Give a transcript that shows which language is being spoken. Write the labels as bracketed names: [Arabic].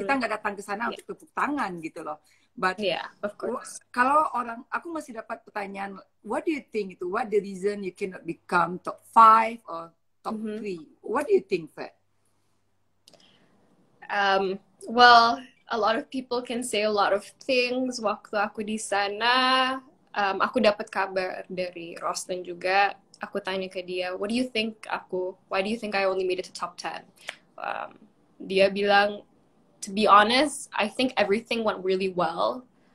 [Indonesian] Kita nggak datang ke sana untuk tepuk tangan gitu loh. [English] But of course. [Indonesian] Kalau orang, aku masih dapat pertanyaan, [English] what do you think [Indonesian] itu? [English] What the reason you cannot become top 5 or top 3? Mm-hmm. What do you think, Fred? Well, a lot of people can say a lot of things. [Indonesian] Waktu aku di sana, aku dapat kabar dari Roslyn juga. Aku tanya ke dia, [English] what do you think aku, why do you think I only made it to top 10? [Indonesian] Dia bilang, [English] to be honest, I think everything went really well.